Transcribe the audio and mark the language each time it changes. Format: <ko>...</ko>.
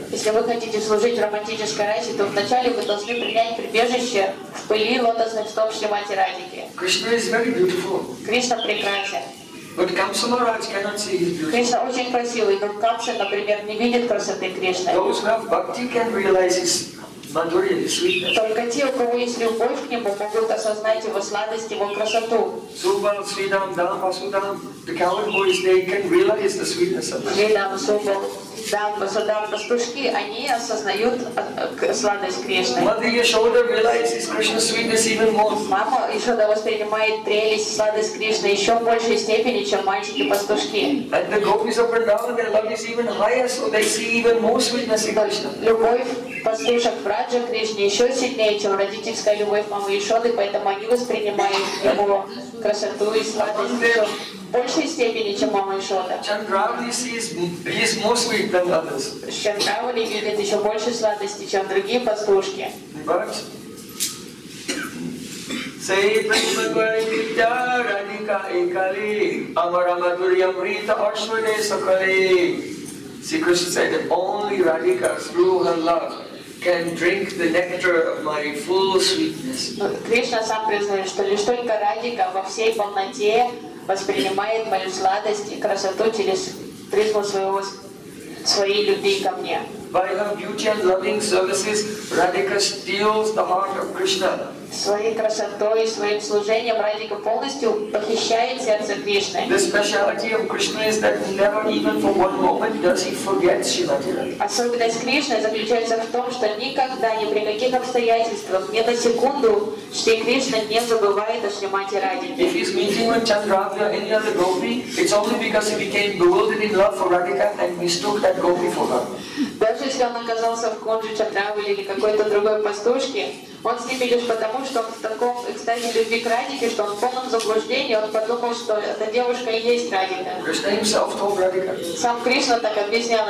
<ru>Если вы хотите служить романтической расе, то вначале вы должны принять прибежище в пыли лотосных стоп Шримати Радхики.</ru> <en>Krishna is very beautiful.</en> <ru>Кришна прекрасен.</ru> <en>But Kamsa Maharaj cannot see his beauty.</en> <ru>Кришна очень красивый, но Камша, например, не видит красоты Кришны.</ru> <en>Those who have bhakti can realize his Мандурия, his sweetness.</en> <ru>Только те, у кого есть любовь к нему, могут осознать его сладость, его красоту.</ru> <en>Субал, Свидам, Дам, Пасудам, the cowboys, they can realize the sweetness of</en> <ru>Кришны. Свидам, Субал, Дам, Пасудам, пастушки, они осознают сладость Кришны.</ru> <en>Мадри Яшода realizes Krishna's sweetness even more.</en> <ru>Мама Яшода воспринимает прелесть, сладость Кришны еще в большей степени, чем мальчики-пастушки.</ru> <en>And the gopis of Vrindavan, their love is even higher, so they see even more sweetness in Krishna.</en> <ru>Послушав Раджа Кришне еще сильнее, чем родительская любовь мамы Яшоды, поэтому они воспринимают его красоту и сладость в большей степени, чем мама Яшода. Чандравли видит еще больше сладости, чем другие пастушки.</ru> <sa>Say Prem Prayojan Radhika Ekali Amara Madhurya Amrita Ashwane Sakale.</sa> <en>See, Krishna said that only Radhika through her love can drink the nectar of my full sweetness.</en> <ru>Кришна сам признает, что лишь только Радика во всей полноте воспринимает мою сладость и красоту через призму своей любви ко мне.</ru> <en>By her beauty and loving services, Radhika steals the heart of Krishna.</en> <ru>Своей красотой и своим служением Радика полностью похищает сердце Кришны.</ru> <en>The speciality of Krishna is that never even for one moment does he forget Srimati Radhika.</en> <ru>Особенность Кришны заключается в том, что никогда, ни при каких обстоятельствах, ни на секунду, Шри Кришна не забывает о Шримати Радике.</ru> <en>If he's meeting with Chandravya or any other gopi, it's only because he became bewildered in love for Radhika and mistook that gopi for her.</en> <ru>Даже если он оказался в конже Чандравы или какой-то другой пастушке, он с ним лишь потому, что он в таком экстазе любви к Радике, что он в полном заблуждении, он подумал, что эта девушка и есть Радика. Сам Кришна так объяснял</ru>